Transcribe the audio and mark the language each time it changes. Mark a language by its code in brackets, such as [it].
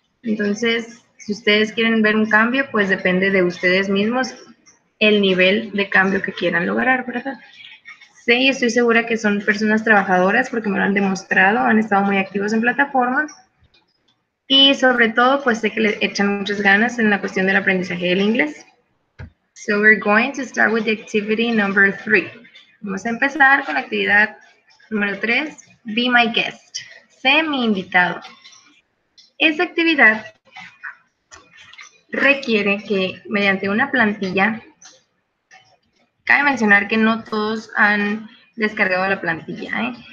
[es] Entonces, si ustedes quieren ver un cambio, pues depende de ustedes mismos el nivel de cambio que quieran lograr, ¿verdad? Sí, y estoy segura que son personas trabajadoras porque me lo han demostrado, han estado muy activos en plataformas y sobre todo pues sé que le echan muchas ganas en la cuestión del aprendizaje del inglés. [en] So we're going to start with the activity number 3. [es] Vamos a empezar con la actividad número 3, [en] Be My Guest, [es] sé mi invitado. Esa actividad requiere que mediante una plantilla. Cabe mencionar que no todos han descargado la plantilla, ¿eh?